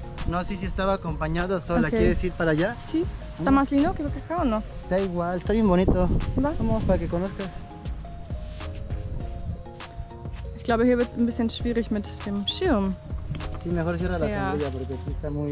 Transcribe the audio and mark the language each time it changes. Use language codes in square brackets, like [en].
[es] No sé si estaba acompañado sola, okay. ¿Quieres ir para allá? Sí. ¿Está más lindo que lo que acá o no? Da igual, está bien bonito. ¿Va? Vamos para que conozcas. [de] Ich glaube, hier wird es ein bisschen schwierig mit dem Schirm. [es] Sí, mejor cierra la pantalla porque aquí está muy...